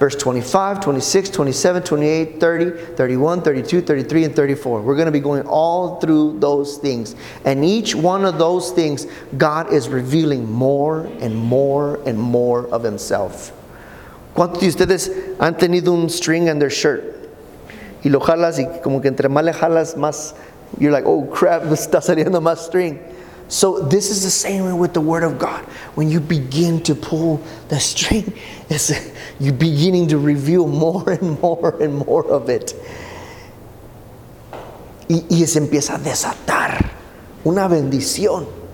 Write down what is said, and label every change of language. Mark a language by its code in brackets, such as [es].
[en] Verse 25, 26, 27, 28, 30, 31, 32, 33, and 34. We're going to be going all through those things. And each one of those things, God is revealing more and more and more of himself. [es] ¿Cuántos de ustedes han tenido un [en] string in their shirt? [es] Y lo jalas y como que entre más le jalas más, [en] you're like, oh crap, [es] está saliendo más string. [en] So this is the same way with the Word of God. When you begin to pull the string, you're beginning to reveal more and more and more of it. [es] Y se empieza a desatar una bendición.